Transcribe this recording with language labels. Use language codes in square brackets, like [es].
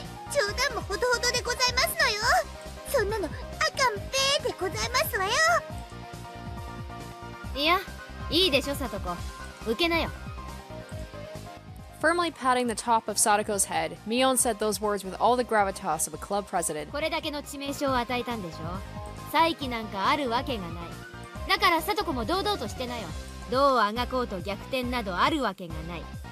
[ja] 冗談もほどほどでございますのよ。そんなの、あかんべーでございますわよ。いや、いいでしょ、サトコ。受けなよ。 [en] Firmly patting the top of Sadako's head, Mion said those words with all the gravitas of a club president. [ja] これだけの致命傷を与えたんでしょ?再起なんかあるわけがない。だから Sadako も堂々としてなよ。どうあがこうと逆転などあるわけがない。